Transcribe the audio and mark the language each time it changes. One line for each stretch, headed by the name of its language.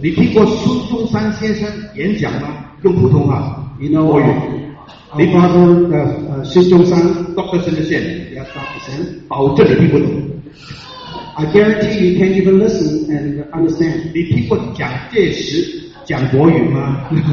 Chinese: 你听过孙中山先生演讲吗? 用普通话?
English: You know, 国语? Our father, Sun Zhongshan, Dr. Sun Zhongshan, yes, Dr. Sun,
Chinese: 保证你听不懂.
English: I guarantee you can't even listen and understand.
Chinese: 你听过蒋介石 讲国语吗?